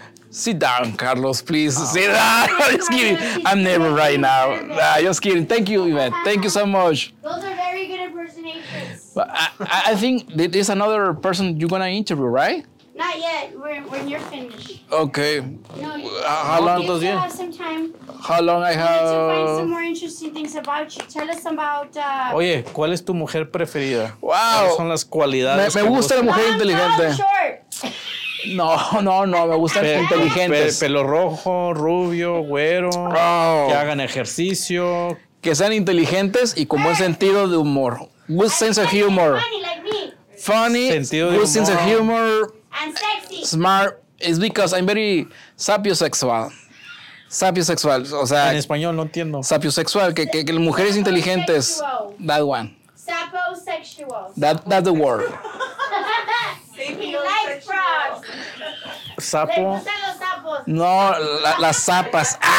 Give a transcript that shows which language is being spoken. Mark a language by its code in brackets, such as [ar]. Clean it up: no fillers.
[en] Sit down, Carlos, please. Oh, sit down. I'm just kidding. Thank you, Yvette. Thank you so much. Those are very good impersonations. I think there's another person you're gonna interview, right? Not yet. When you're finished. Okay. No, how long does it have some time? How long I have? To find some more interesting things about you. Tell us about. [es] Oye, ¿cuál es tu mujer preferida? [en] Wow. [es] ¿Cuáles son las cualidades? Me gusta la mujer inteligente. No, me gustan inteligentes. Pelo rojo, rubio, güero. [en] Oh. [es] Que hagan ejercicio. Que sean inteligentes y con buen sentido de humor. [en] Good sense of humor. Funny like me. Good sense of humor. And sexy. Smart. It's because I'm very sapiosexual. [es] Sapiosexual. O sea, en español no entiendo. Sapiosexual. Que las mujeres inteligentes. [en] That one. Saposexual. That's the word. He likes frogs. [es] Sapo. No, las zapas.